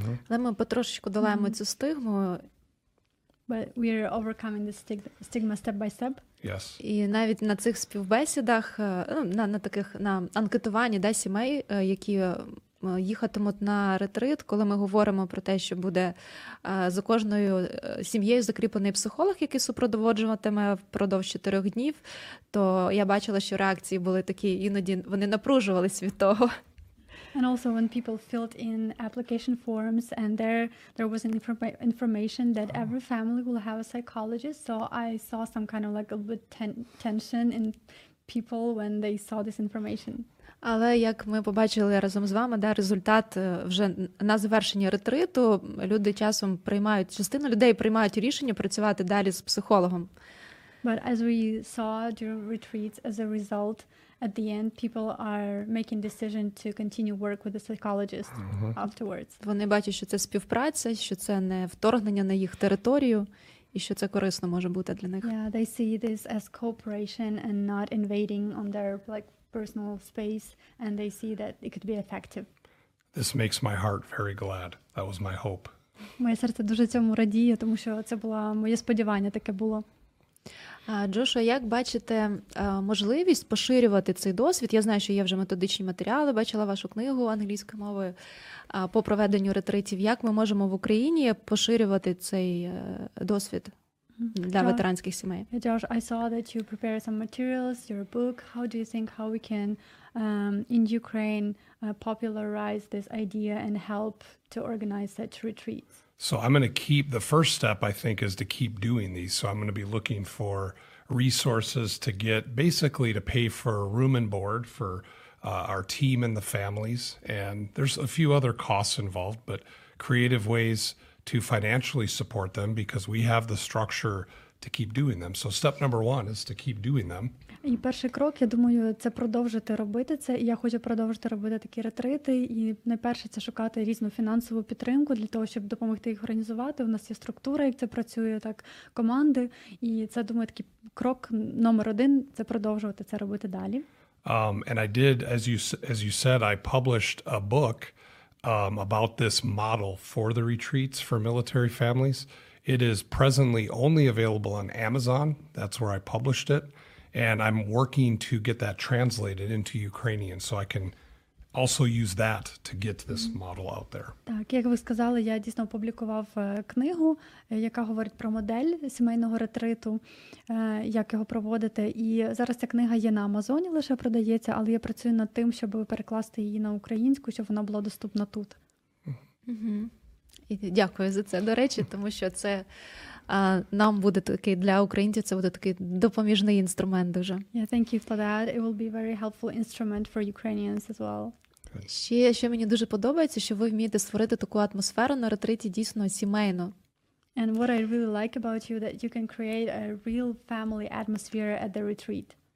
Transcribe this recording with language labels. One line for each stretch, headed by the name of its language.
Ukrainian: Але ми потрошечку долаємо цю стигму.
English: But we're overcoming the stigma step by step. Yes.
Ukrainian: І навіть на цих співбесідах, на таких, на анкетуванні, да, сімей, які їхатимуть на ретрит, коли ми говоримо про те, що буде за кожною сім'єю закріплений психолог, який супроводжуватиме впродовж 4 днів, то я бачила, що реакції були такі, іноді вони напружувались від того.
English: And also when people filled in application forms and there was an information that every family will have a psychologist, so I saw some kind of like a bit tension in people when they saw this information.
Ukrainian: Але як ми побачили разом з вами, да, результат вже на завершенні ретриту, люди часом приймають, частина людей приймають рішення працювати далі з психологом.
English: But as we saw during retreats, as a result, at the end, people are making decision to continue work with the psychologist afterwards.
Ukrainian: Вони бачать, що це співпраця, що це не вторгнення на їх територію, і що це корисно може бути для них.
English: Yeah, they see this as cooperation and not invading on their like personal space, and they see that it could be effective. This makes my heart very glad. That was my hope.
Ukrainian: Моє серце дуже цьому радіє, тому що це було моє сподівання, таке було. Джошуа, як бачите можливість поширювати цей досвід? Я знаю, що є вже методичні матеріали, бачила вашу книгу англійською мовою по проведенню ретритів. Як ми можемо в Україні поширювати цей досвід для ветеранських сімей?
English: Джош, I saw that you prepared some materials, your book. How do you think how we can in Ukraine popularize this idea and help to organize such retreats? So I'm going to keep, the first step, I think, is to keep doing these. So I'm going to be looking for resources to get, basically to pay for room and board for our team and the families. And there's a few other costs involved, but creative ways to financially support them because we have the structure to keep doing them. So step number one is to keep doing them.
Ukrainian: І перший крок, я думаю, це продовжити робити це. І я хочу продовжити робити такі ретрити. І найперше це шукати різну фінансову підтримку для того, щоб допомогти їх організувати. У нас є структура, як це працює, так, команди. І це, думаю, такий крок номер один – це продовжувати це робити далі.
English: And I did, as you said, I published a book about this model for the retreats for military families. It is presently only available on Amazon. That's where I published it. And I'm working to get that translated into Ukrainian so I can also use that to get this model out there.
Ukrainian: Так, як ви сказали, я дійсно опублікував книгу, яка говорить про модель сімейного ретриту, як його проводити. І зараз ця книга є на Амазоні, лише продається, але я працюю над тим, щоб перекласти її на українську, щоб вона була доступна тут. Угу. І дякую за це, до речі, тому що це нам буде такий, для українців це буде такий допоміжний інструмент дуже.
English: Yeah, thank you for that. It will be a very helpful instrument for Ukrainians as well.
Ukrainian: Ще мені дуже подобається, що ви вмієте створити таку атмосферу на ретриті дійсно сімейну.
English: And what I really like about you that you can create a real family atmosphere at the retreat.